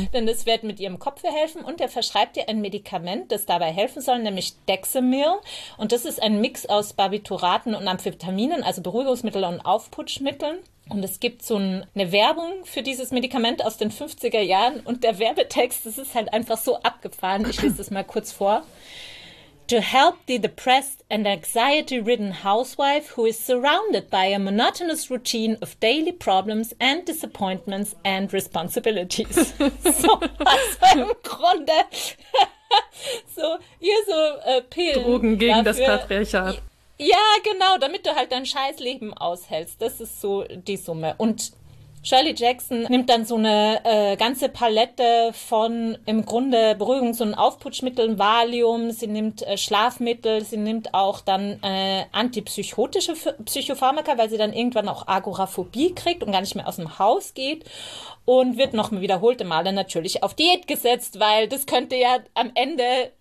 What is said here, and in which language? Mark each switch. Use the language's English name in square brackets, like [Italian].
[German] Denn das wird mit ihrem Kopf helfen und er verschreibt ihr ein Medikament, das dabei helfen soll, nämlich Dexamil. Und das ist ein Mix aus Barbituraten und Amphetaminen, also Beruhigungsmittel und Aufputschmitteln. Und es gibt so eine Werbung für dieses Medikament aus den 50er Jahren und der Werbetext, das ist halt einfach so abgefahren. Ich lese das mal kurz vor. [English] To help the depressed and anxiety-ridden housewife who is surrounded by a monotonous routine of daily problems and disappointments and responsibilities. [German] So, also im Grunde, so, ihr so Pillen Drogen gegen das dafür. Patriarchat. Ja, genau, damit du halt dein Scheißleben aushältst. Das ist so die Summe. Und Shirley Jackson nimmt dann so eine ganze Palette von im Grunde Beruhigungs- und Aufputschmitteln, Valium, sie nimmt Schlafmittel, sie nimmt auch dann antipsychotische Psychopharmaka, weil sie dann irgendwann auch Agoraphobie kriegt und gar nicht mehr aus dem Haus geht und wird nochmal wiederholte Male natürlich auf Diät gesetzt, weil das könnte ja am Ende.